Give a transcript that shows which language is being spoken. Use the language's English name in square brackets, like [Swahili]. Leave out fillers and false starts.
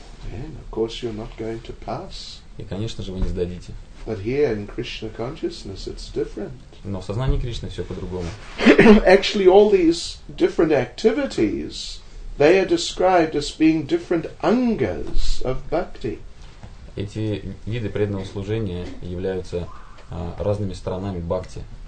[English] Then, of course, you're not going to pass. [Russian] И, конечно же, вы не сдадите. [English] But here in Krishna consciousness, it's different. [Russian] Но в сознании Кришны все по-другому. [English] Actually, all these different activities, they are described as being different angas of bhakti. [Russian] Эти виды преданного служения являются разными сторонами бхакти.